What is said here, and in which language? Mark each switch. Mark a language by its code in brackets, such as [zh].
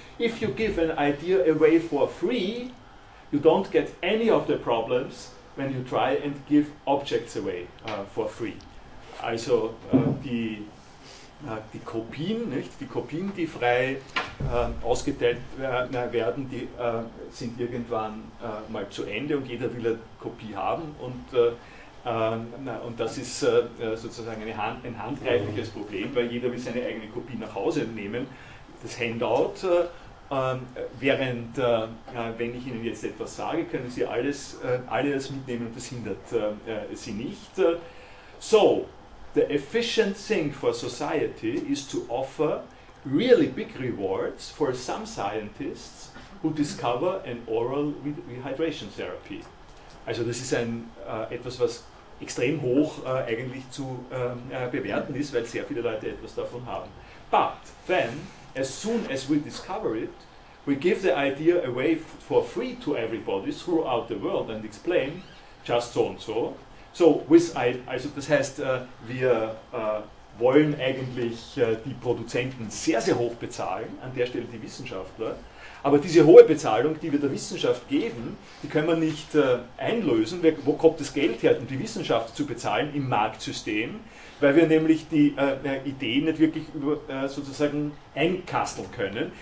[en] If you give an idea away for free, you don't get any of the problems when you try and give objects away for free. [de] Also die Kopien, nicht? Die Kopien, die frei ausgeteilt werden, die sind irgendwann mal zu Ende und jeder will eine Kopie haben und das ist sozusagen ein handgreifliches Problem, weil jeder will seine eigene Kopie nach Hause nehmen, das Handout, während wenn ich Ihnen jetzt etwas sage, können Sie alles mitnehmen und das hindert Sie nicht. [en] So, the efficient thing for society is to offer really big rewards for some scientists who discover an oral rehydration therapy. [de] Also das ist ein etwas, was extrem hoch eigentlich zu bewerten ist, weil sehr viele Leute etwas davon haben. [en] But then, as soon as we discover it, we give the idea away for free to everybody throughout the world and explain just so and so. [de] So, also das heißt, wir wollen eigentlich die Produzenten sehr, sehr hoch bezahlen, an der Stelle die Wissenschaftler, aber diese hohe Bezahlung, die wir der Wissenschaft geben, die können wir nicht einlösen. Wo kommt das Geld her, um die Wissenschaft zu bezahlen? Im Marktsystem, weil wir nämlich die Ideen nicht wirklich sozusagen einkasteln können.